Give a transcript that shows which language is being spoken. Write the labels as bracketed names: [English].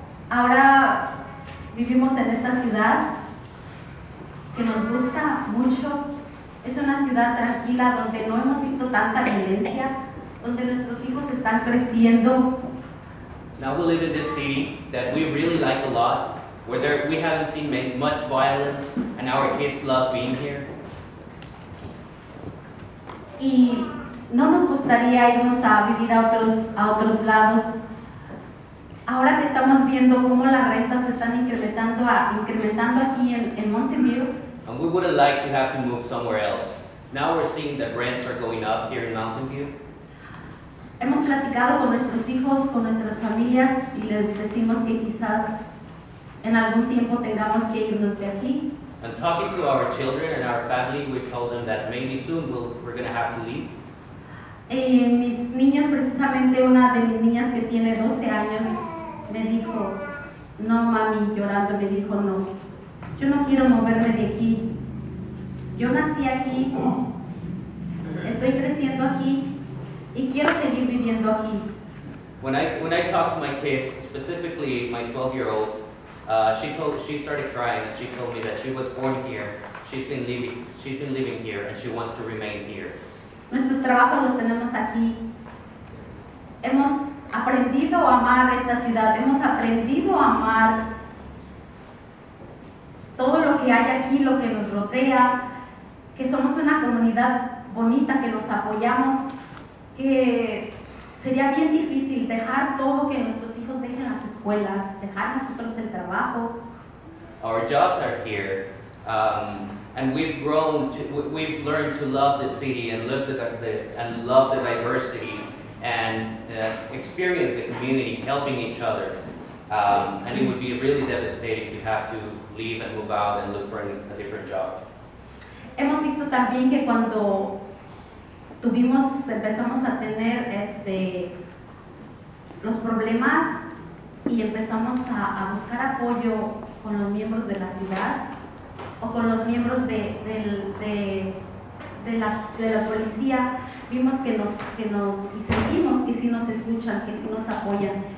[Spanish] Ahora vivimos en esta ciudad que nos gusta mucho. Es una ciudad tranquila donde no hemos visto tanta violencia, donde nuestros hijos están creciendo. [English] Now we live in this city that we really like a lot, where we haven't seen much violence, and our kids love being here. [Spanish] Y no nos gustaría irnos a vivir a otros lados. Ahora que estamos viendo cómo las rentas están incrementando aquí en Mountain View. [English] And we wouldn't like to have to move somewhere else. Now we're seeing that rents are going up here in Mountain View. [Spanish] Hemos platicado con nuestros hijos, con nuestras familias, y les decimos que quizás en algún tiempo tengamos que irnos de aquí. [English] And talking to our children and our family, we told them that maybe soon we're going to have to leave. [Spanish] Mis niños, precisamente una de mis niñas que tiene 12 años, me dijo, no mami, llorando, me dijo, no, yo no quiero moverme de aquí. Yo nací aquí, estoy creciendo aquí, y quiero seguir viviendo aquí. [English] When I talked to my kids, specifically my 12-year-old, she started crying and she told me that she was born here. She's been living here and she wants to remain here. [Spanish] Nuestros trabajos los tenemos aquí. Hemos aprendido a amar esta ciudad. Hemos aprendido a amar todo lo que hay aquí, lo que nos rodea, que somos una comunidad bonita, que nos apoyamos. Que sería bien difícil dejar todo, que nuestros hijos dejen las escuelas, dejar nosotros el trabajo. [English] Our jobs are here, and we've learned to love the city and love the diversity and experience the community, helping each other. And it would be really devastating if you have to leave and move out and look for a different job. [Spanish] Hemos visto también que cuando empezamos a tener los problemas y empezamos a buscar apoyo con los miembros de la ciudad o con los miembros de la policía, vimos que sentimos que sí nos escuchan, que sí nos apoyan.